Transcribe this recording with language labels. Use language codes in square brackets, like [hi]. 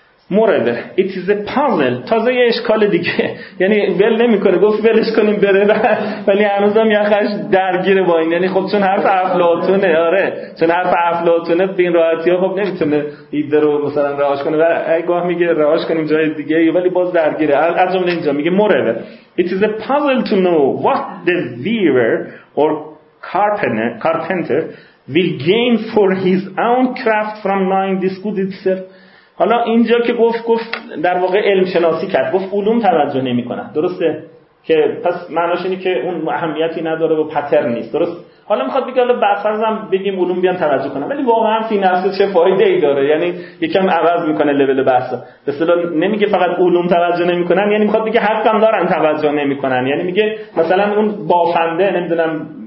[fa] مورد [en] it is a puzzle، [fa] تازه یه اشکال دیگه، یعنی ول نمیکنه، گفت ولش کنیم بره، ولی هنوزم یخش درگیره با این، یعنی خب چون حرف افلاطونه، آره چون حرف افلاطونه به این راحتی ها خب نمیتونه ایده رو مثلا رهاش کنه، ولی گاه میگه رهاش کنیم جای دیگه، ولی باز درگیره. از جمله اینجا میگه مورد [en] it is a puzzle to know what the weaver or carpenter will gain for his own craft from knowing this good itself. [fa] حالا اینجا که گفت در واقع علم شناسی کرد، گفت علوم توجه نمی کنن، درسته؟ که پس معناش اینه که اون اهمیتی نداره و پترن نیست، درست؟ حالا میخواد بگه حالا بفرضم بگیم علوم بیان توجه کنن، ولی واقعا فی نفسه چه فایده ای داره؟ یعنی یکم عوض میکنه لول بحثا، به اصطلاح نمیگه فقط علوم توجه نمی کنن، یعنی میخواد بگه حق هم دارن توجه نمی کنن، یعنی میگه مثلا اون بافنده، نمیدونم